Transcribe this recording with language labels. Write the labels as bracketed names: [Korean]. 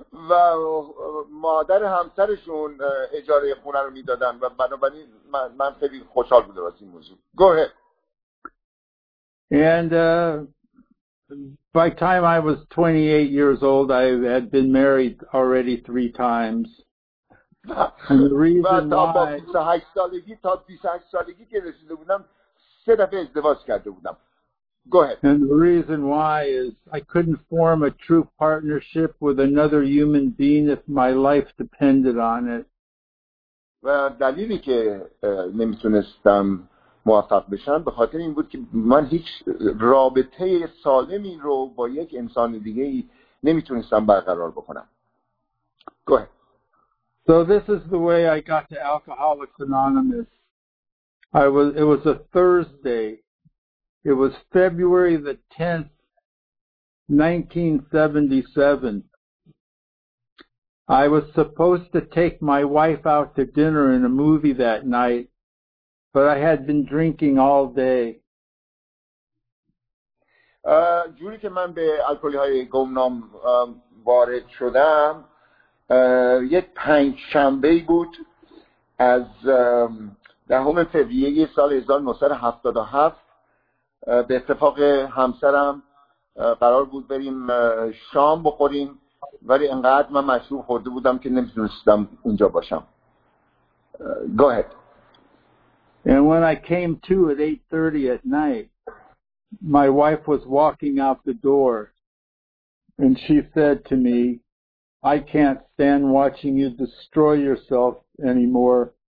[Persian] و مادر همسرشون اجاره خونه رو میدادن و بنابراین من خیلی خوشحال بودم از این موضوع. [English] Go ahead. And by the time I was 28 years old, I had been married already 3 times. And the reason why... [Persian] با 28 سالگی تا 28 سالگی که رسیده بودم 3 دفعه ازدواج کرده بودم. [English] Go ahead. And the reason why is I couldn't form a true partnership with another human being if my life depended on it. [Persian] و دلیلی که نمیتونستم موفق بشم به خاطر این بود که من هیچ رابطه سالمی رو با یک انسان دیگه نمیتونستم برقرار بکنم. [English] Go ahead. So this is the way I got to Alcoholics Anonymous. It was a Thursday. It was February the 10th, 1977. I was supposed to take my wife out to dinner and a movie that night, but I had been drinking all day. [Persian] جوری که من به الکلی‌های گمنام وارد شدم، یک پنج شنبه بود از دهم فوریه سال 1977. به اتفاق همسرم قرار بود بریم شام بخوریم ولی انقدر من مشروب خورده بودم که نمیتونستم اونجا باشم. [English] Go ahead. And when I came to at 8:30 at night, my wife was walking out the door and she said to me, I can't stand watching you destroy yourself anymore.